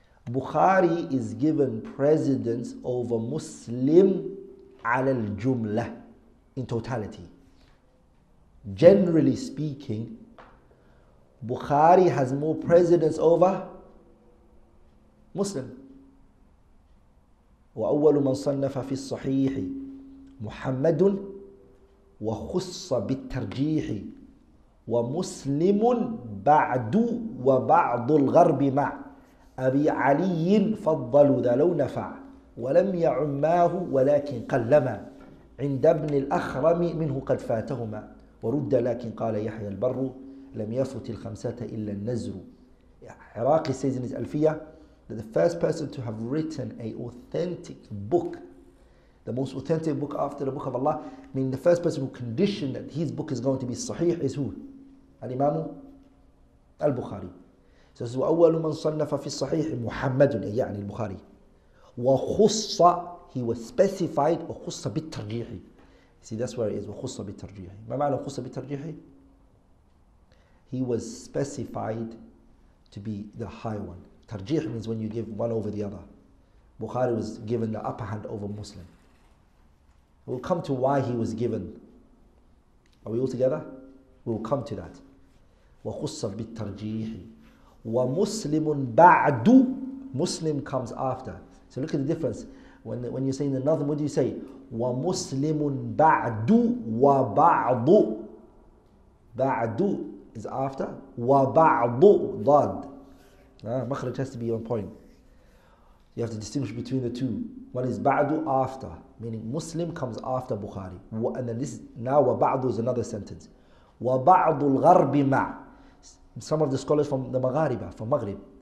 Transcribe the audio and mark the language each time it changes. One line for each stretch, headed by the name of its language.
English: Bukhari is given precedence over Muslim
Arabic: على الجملة
English: in totality. Generally speaking, Bukhari has more precedence over Muslim.
Arabic: وأول من صنف في الصحيح محمد وخص بالترجيح ومسلم بعد وبعض الغرب مع أبي علي فضلوا ذا لو نفع ولم يعماه ولكن قلما عند ابن الأخرم منه قد فاتهما ورد لكن قال يحيى البر لم يفت الخمسة إلا النزر
English: عراقي says in his ألفية that the first person to have written a authentic book The most authentic book after the book of Allah, meaning the first person who conditioned that his book is going to be sahih is who? Al-Imam Al-Bukhari. So this is
Arabic: وَأَوَّلُ مَنْ صَنَّفَ فِي الصَّحِيحِ مُحَمَّدٌ يعني البخاري وَخُصَّ
English: He was specified
Arabic: وَخُصَّ بِالتَّرْجِيحِ
English: See that's where it is
Arabic: وَخُصَّ بِالتَّرْجِيحِ ما معنى وَخُصَّ بِالتَّرْجِيحِ
English: He was specified to be the high one. تَرْجِيح means when you give one over the other. Bukhari was given the upper hand over Muslim. We'll come to why he was given. Are we all together? We'll come to that.
Arabic: وَخُصَّ بِالتَّرْجِيحِ وَمُسْلِمٌ بَعْدُ
English: Muslim comes after. So look at the difference. When you say in the Nazm, what do you say?
Arabic: وَمُسْلِمٌ بَعْدُ وَبَعْضُ بَعْدُ
English: is after. وَبَعْضُ ضَاد مخرج has to be on point. You have to distinguish between the two. One is ba'du after, meaning Muslim comes after Bukhari. And then this now wa-ba'du is another sentence. Wa-ba'du al-gharbi ma' Some of the scholars from the Maghariba, from Maghrib.